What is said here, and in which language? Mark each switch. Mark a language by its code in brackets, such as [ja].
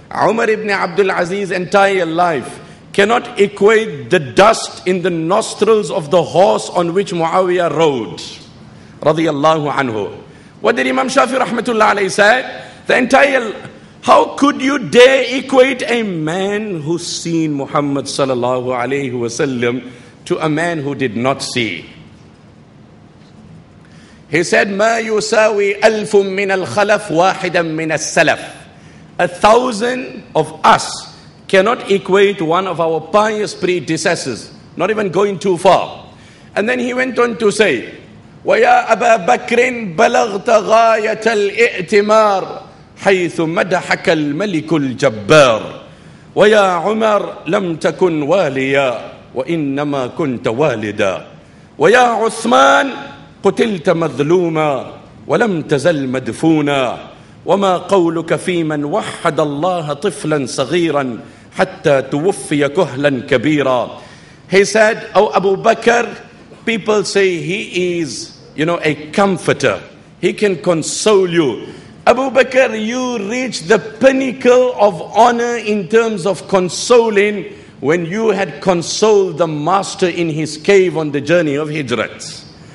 [en] Umar ibn Abdul Aziz's entire life cannot equate the dust in the nostrils of the horse on which Muawiyah rode, radiyallahu anhu. What did Imam Shafi rahmatullah alayhi say? The entire, how could you dare equate a man who's seen Muhammad sallallahu alayhi wasallam to a man who did not see? He said, [ar] ما يساوي ألف من الخلف واحدا من السلف. [en] 1,000 of us cannot equate one of our pious predecessors, not even going too far. And then he went on to say, [ar] وَيَا أَبَا بَكْرٍ بَلَغْتَ غَايَةَ الْإِئْتِمَارِ حَيْثُ مَدَحَكَ الْمَلِكُ الْجَبَّارِ وَيَا عُمَرْ لَمْ تَكُنْ وَالِيَا وَإِنَّمَا كُنْتَ وَالِدًا وَيَا عُثْمَانِ قُتِلْتَ مَظْلُومًا وَلَمْ تَزَلْ مَدْفُونًا وَمَا قَوْلُكَ فِي مَنْ وَحَّدَ اللَّهَ طِفْلًا صَغِيرًا حَتَّى تُوُفِّيَ كُهْلًا كَبِيرًا. [en] He said, oh Abu Bakr, people say he is, you know, a comforter. He can console you. Abu Bakr, you reached the pinnacle of honor in terms of consoling when you had consoled the master in his cave on the journey of Hijrat.